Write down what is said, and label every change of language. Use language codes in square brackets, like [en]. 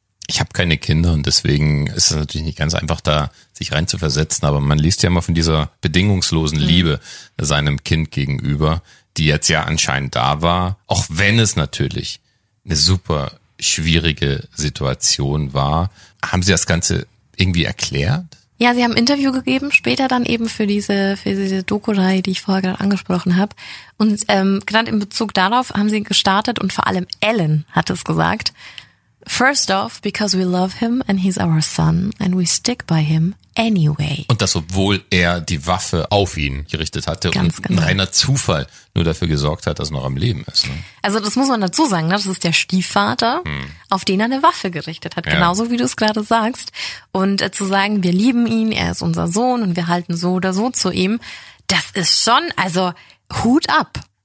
[de] Ich habe keine Kinder und deswegen ist es natürlich nicht ganz einfach, da sich rein zu versetzen, aber man liest ja immer von dieser bedingungslosen Liebe seinem Kind gegenüber, die jetzt ja anscheinend da war, auch wenn es natürlich eine super schwierige Situation war. Haben Sie das Ganze irgendwie erklärt? Ja, Sie haben ein Interview gegeben, später dann eben für diese Doku-Reihe, die ich vorher gerade angesprochen habe. Und gerade in Bezug darauf haben Sie gestartet und vor allem Alan hat es gesagt. [en] First off, because we love him and he's our son and we stick by him anyway. [de] Und das, obwohl er die Waffe auf ihn gerichtet hatte ganz und reiner Zufall nur dafür gesorgt hat, dass er noch am Leben ist. Ne? Also das muss man dazu sagen, ne? Das ist der Stiefvater, auf den er eine Waffe gerichtet hat, genauso wie du es gerade sagst. Und zu sagen, wir lieben ihn, er ist unser Sohn und wir halten so oder so zu ihm, das ist schon, also Hut ab.